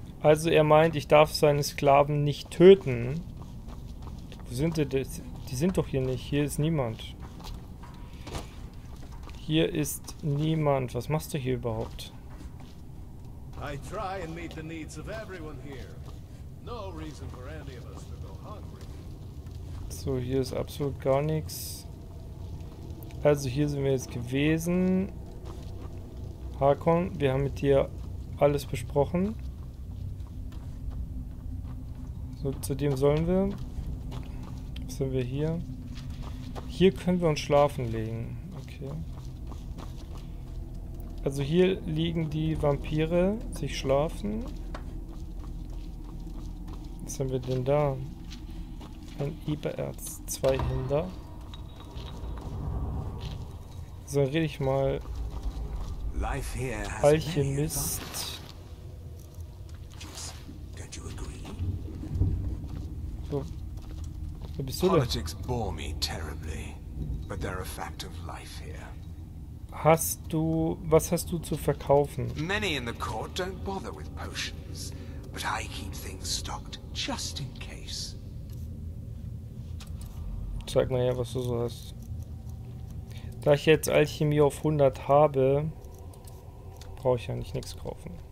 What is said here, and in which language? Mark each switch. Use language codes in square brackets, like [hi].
[de] Also er meint, ich darf seine Sklaven nicht töten. Wo sind die? Die sind doch hier nicht. Hier ist niemand. Hier ist niemand. Was machst du hier überhaupt? [en] I try and meet the needs of everyone here. No reason for any of us to go hungry. [de] So, hier ist absolut gar nichts. Also hier sind wir jetzt gewesen. Hakon, wir haben mit dir alles besprochen. So, zu dem sollen wir. Was sind wir hier? Hier können wir uns schlafen legen. Okay. Also hier liegen die Vampire sich schlafen. Was haben wir denn da? Ein Ebererz, zwei Hinder. So, rede ich mal. [en] Life here has Alchemist. Don't you agree? [de] So. Wer bist du? [en] Politics bore me terribly, but they're a fact of life here. [de] Hast du, was hast du zu verkaufen? [en] Many in the court don't bother with potions, but I keep things stocked just in case. [de] Zeig mal her, was du so hast. Da ich jetzt Alchemie auf 100 habe, brauche ich ja nicht nichts kaufen.